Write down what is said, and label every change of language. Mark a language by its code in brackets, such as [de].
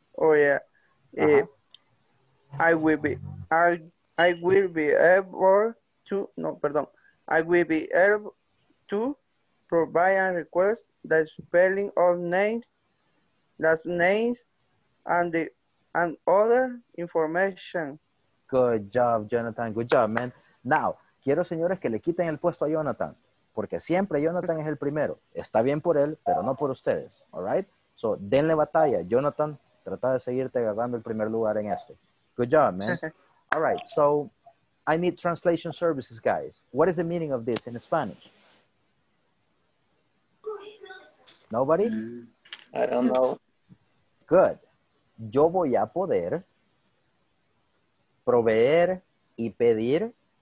[en] Oh yeah, I will be able to provide and request the spelling of names, last names, and other information. Good job, Jonathan. Good job, man. [es] Now, quiero señores que le quiten el puesto a Jonathan. Porque siempre Jonathan es el primero. Está bien por él, pero no por ustedes. [en] All right? [es] So, denle batalla. Jonathan, trata de seguirte agarrando el primer lugar en esto. [en] Good job, man. All right. So, I need translation services, guys. What is the meaning of this in Spanish? Nobody? I don't know. [es] Good. Yo voy a poder proveer y pedir.